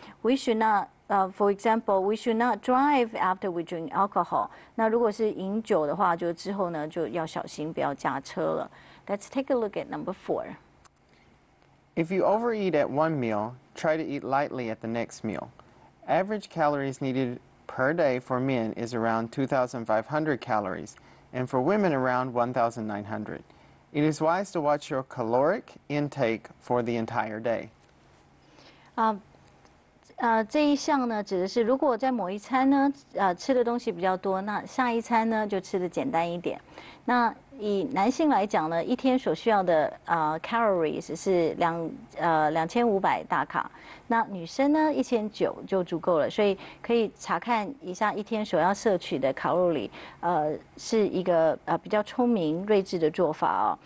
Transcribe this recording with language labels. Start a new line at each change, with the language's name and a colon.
English: We should not, for example, we should not drive after we drink alcohol.
Chinese: 那如果是饮酒的话，就之后呢就要小心，不要驾车了。
English: Let's take a look at number four. If you overeat at one meal, try to eat lightly at the next meal. Average calories needed per day for men is around 2,500 calories, and for women around 1,900. It is wise to watch your caloric intake for the entire day.
Chinese: 这一项呢，指的是如果在某一餐呢，吃的东西比较多，那下一餐呢就吃的简单一点。那以男性来讲呢，一天所需要的calories 是2500大卡，那女生呢1900就足够了，所以可以查看一下一天所要摄取的卡路里，是一个比较聪明睿智的做法哦。